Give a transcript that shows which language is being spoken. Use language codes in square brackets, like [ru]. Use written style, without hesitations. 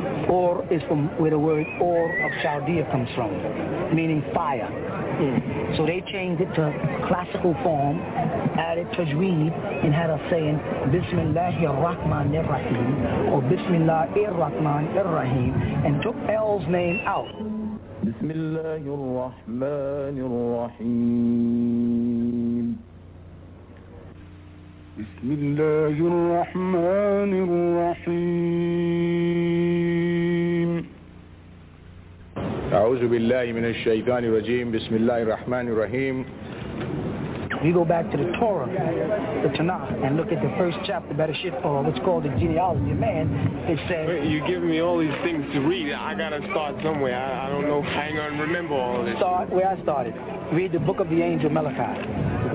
[en] Ur is from where the word Ur of Chaldea comes from, meaning fire. So they changed it to classical form, added tajweed, and had us saying Bismillahir Rahmanir Rahim or Bismillahir Rahmanir Rahim, and took El's name out. [ar] بسم الله الرحمن الرحيم بسم الله الرحمن الرحيم أعوذ بالله من الشيطان الرجيم بسم الله الرحمن الرحيم. [en] We go back to the Torah, the Tanakh, and look at the first chapter, what's called the genealogy of man. It says... Wait, you're giving me all these things to read. I got to start somewhere. I don't know if I ain't going to remember all this. Start where I started. Read the book of the angel Malachi.